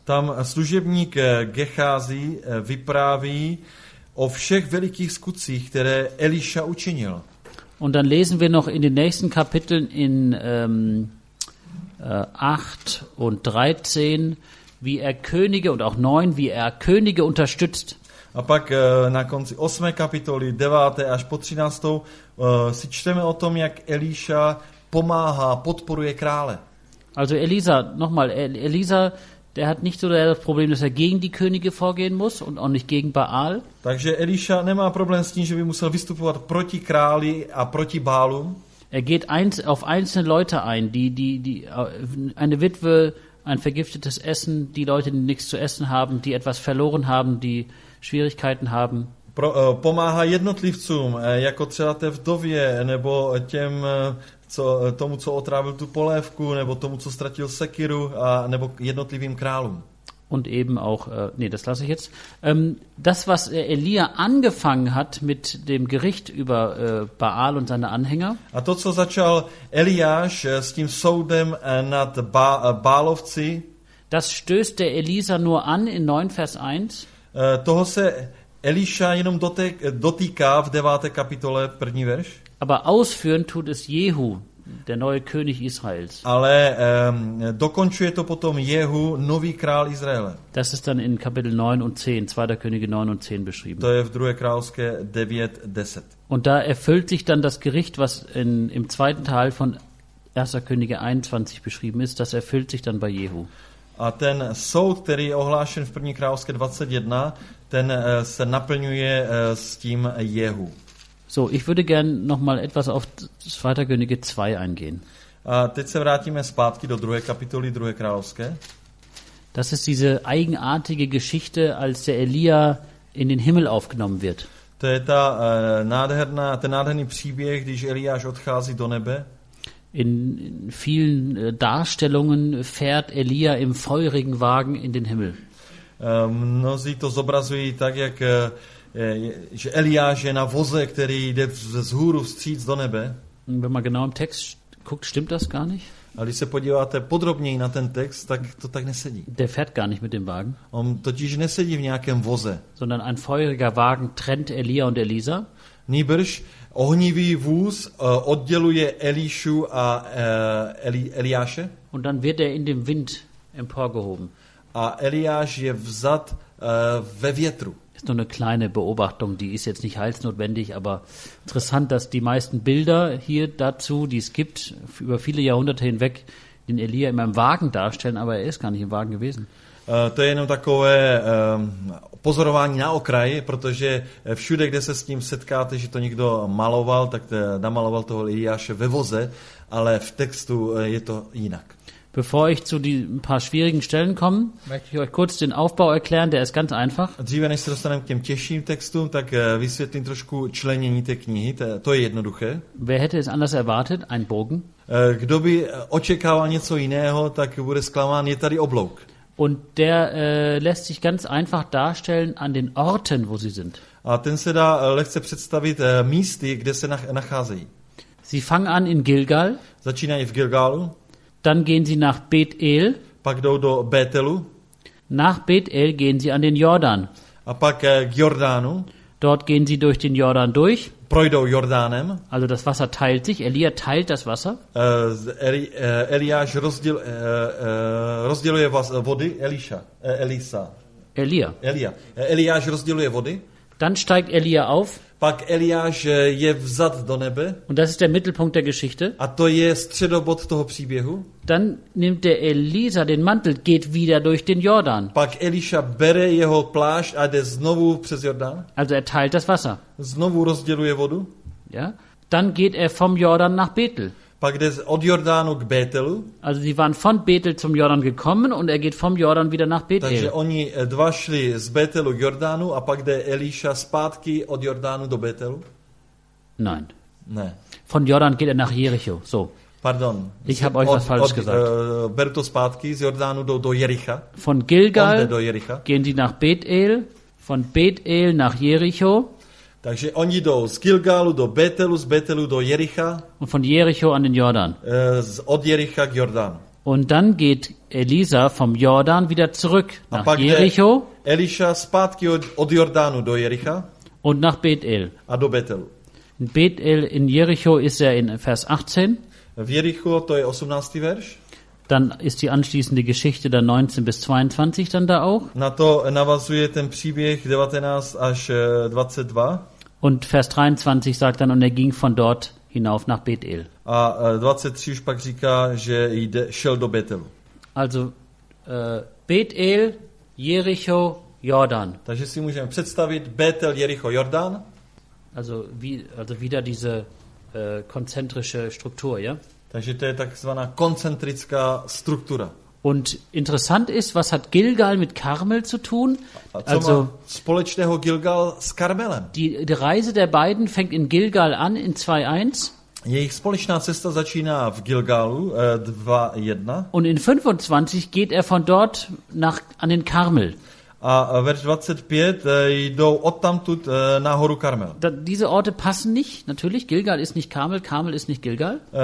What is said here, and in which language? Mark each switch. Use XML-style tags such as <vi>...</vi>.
<cs>Tam služebník Gehasi vypráví o všech velikých skutcích, které Eliša učinil.</cs> <de>Und dann lesen wir noch in den nächsten Kapiteln in 8 und 13, wie er Könige und auch 9, wie er Könige unterstützt.</de> <cs>A pak na konci 8. kapitoly 9. až po 13. Si čteme o tom, jak Eliša pomáhá, podporuje krále.</cs> <de>Also Elisa, nochmal, Elisa, der hat nicht so das Problem, dass er gegen die Könige vorgehen muss und auch nicht gegen Baal.</de> <cs>Takže Eliša nemá problém s tím, že by musel vystupovat proti králi a proti Baalu.</cs> <de>Er geht auf einzelne Leute ein, die eine Witwe, ein vergiftetes Essen, die Leute, die nichts zu essen haben, die etwas verloren haben, die Schwierigkeiten haben.</de> <cs>Pomáhá jednotlivcům, jako třeba té vdově, nebo těm, co, tomu, co otrávil tu polévku, nebo tomu, co ztratil sekiru, a, nebo jednotlivým králům.</cs> <de>Und eben auch, nee, das lasse ich jetzt. Das, was Elia angefangen hat mit dem Gericht über Baal und seine Anhänger.</de> <cs>A to, co začal Eliáš s tím soudem nad Bálovci.</cs> <de>Das stößt der Elisa nur an in 9 Vers 1.</de> <cs>Toho se Eliša jenom dotýká v 9. kapitole, 1. verš.</cs> <de>Aber ausführen tut es Jehu. Der neue König Israels.</de> <cs>Ale dokončuje to potom Jehu, nový král Izraele.</cs> <de>Das ist dann in Kapitel 9 und 10, 2. Könige 9 und 10 beschrieben.</de> <cs>To je v 2. Královské 9, 10.</cs> <de>Und da erfüllt sich dann das Gericht, was in, im zweiten Teil von 1. Könige 21 beschrieben ist, das erfüllt sich dann bei Jehu.</de> <cs>A ten soud, který je ohlášen v 1. Královské 21, ten se naplňuje s tím Jehu.</cs> <de>So, ich würde gern noch mal etwas auf 2. Könige 2 eingehen.</de> <cs>A teď se vrátíme zpátky do 2. kapitoly 2. královské.</cs> <de>Das ist diese eigenartige Geschichte, als der Elia in den Himmel aufgenommen wird.</de> <cs>To je ta nádherný příběh, když Eliáš odchází do nebe.</cs> <de>In vielen Darstellungen fährt Elia im feurigen Wagen in den Himmel.</de> <cs>Mnozí to zobrazují tak, jak že Eliáš je na voze, který jde vzhůru vstříc do nebe.</cs> <de>Wenn man genau im Text guckt, stimmt das gar nicht.</de> <cs>A když se podíváte podrobněji na ten text, tak to tak nesedí.</cs> <de>Der fährt gar nicht mit dem Wagen.</de> <cs>On totiž nesedí v nějakém voze.</cs> <de>Sondern ein feuriger Wagen trennt Elia und Elisa.</de> <cs>Nýbrž ohnivý vůz odděluje Elišu a Eliáše.</cs> <de>Und dann wird in dem Wind emporgehoben.</de> <cs>A Eliáš je vzad ve větru.</cs> <de>Ist nur eine kleine Beobachtung, die ist jetzt nicht heilsnotwendig, aber interessant, dass die meisten Bilder hier dazu, die es gibt, über viele Jahrhunderte hinweg, den Elia in einem Wagen darstellen, aber er ist gar nicht im Wagen gewesen.</de> <cs>To je jenom takové pozorování na okraji, protože všude, kde se s tím setkáte, že to někdo maloval, tak namaloval toho Eliáše ve voze, ale v textu je to jinak.</cs> <de>Bevor ich zu ein paar schwierigen Stellen komme, möchte ich euch kurz den Aufbau erklären, der ist ganz einfach.</de> <cs>Dříve než se dostaneme k těm těžším textům, tak vysvětlím trošku členění té knihy, to je jednoduché.</cs> <de>Wer hätte es anders erwartet, ein Bogen?</de> <cs>Kdo by očekával něco jiného, tak bude zklamán, je tady oblouk.</cs> <de>Und der lässt sich ganz einfach darstellen an den Orten, wo sie sind.</de> <cs>A ten se dá lehce představit místy, kde se nacházejí.</cs> <de>Sie fangen an in Gilgal.</de> <cs>Začínají v Gilgalu.</cs> <de>Dann gehen sie nach Bet-El.</de> <cs>Pak jdou do Bethelu.</cs> <de>Nach Bet-El gehen sie an den Jordan.</de> <cs>A pak k Jordánu.</cs> <de>Dort gehen sie durch den Jordan durch.</de> <cs>Projdou Jordánem.</cs> <de>Also das Wasser teilt sich. Elia teilt das Wasser.</de> <cs>Eliáš rozděluje vody. Eliša. Elisa.</cs> <de>Elia.</de> <cs>Elia. Eliáš rozděluje vody.</cs> <de>Dann steigt Elia auf.</de> <cs>Pak Eliáš je vzad do nebe.</cs> <de>Und das ist der Mittelpunkt der Geschichte.</de> <cs>A to je středobod toho příběhu.</cs> <de>Dann nimmt der Elisa den Mantel, geht wieder durch den Jordan.</de> <cs>Pak Eliša bere jeho plášť a jde znovu přes Jordán.</cs> <de>Also er teilt das Wasser.</de> <cs>Znovu rozděluje vodu.</cs> <de>Ja. Dann geht vom Jordan nach Bethel.</de> <cs>Pak jde od Jordánu k Bethelu.</cs> <de>Also sie waren von Bethel zum Jordan gekommen und er geht vom Jordan wieder nach Bethel.</de> <cs>Takže oni dva šli z Bethelu k Jordánu a pak jde Eliša zpátky od Jordánu do Bethelu?</cs> <de>Nein.</de> <cs>Ne.</cs> <de>Von Jordan geht nach Jericho. So. Pardon. Ich habe euch was falsch gesagt.</de> <cs>Beru to zpátky, z Jordánu do Jericha.</cs> <de>Von Gilgal</de> <cs>do Jericha.</cs> <de>Gehen sie nach Bethel, von Bethel nach Jericho.</de> <cs>Takže oni jdou z Gilgalu do Bethelu, z Bethelu do Jericha.</cs> <de>Und von Jericho an den Jordan.</de> <cs>Od Jericha k Jordánu.</cs> <de>Und dann geht Elisa vom Jordan wieder zurück nach Jericho.</de> <cs>Eliša zpátky od Jordánu do Jericha.</cs> <de>Und nach Bethel.</de> <cs>A do Bethelu.</cs> <de>In Bethel in Jericho ist in Vers 18.</de> <cs>V Jericho to je 18. verš.</cs> <de>Dann ist die anschließende Geschichte dann 19 bis 22 dann da auch.</de> <cs>Na to navazuje ten příběh 19 až 22.</cs> <de>Und Vers 23 sagt dann, und er ging von dort hinauf nach Bethel.</de> <cs>A 23 už pak říká, že šel do Bethelu.</cs> <de>Also Bethel, Jericho, Jordan.</de> <cs>Takže si můžeme představit Bethel, Jericho, Jordan.</cs> <de>Also wieder diese konzentrische Struktur, ja?</de> <cs>Takže to je takzvaná koncentrická struktura.</cs> <de>Und interessant ist, was hat Gilgal mit Karmel zu tun?</de> <cs>Also společného Gilgal s Karmelem.</cs> <de>Die Reise der beiden fängt in Gilgal an in 2:1.</de> <cs>Jejich společná cesta začíná v Gilgalu 2:1.</cs> <de>Und in 25 geht er von dort nach an den Karmel.</de> <cs>A verš 25 jdou odtamtud nahoru Karmel.</cs> <de>Diese Orte passen nicht, natürlich. Gilgal ist nicht Karmel, Karmel ist nicht Gilgal.</de>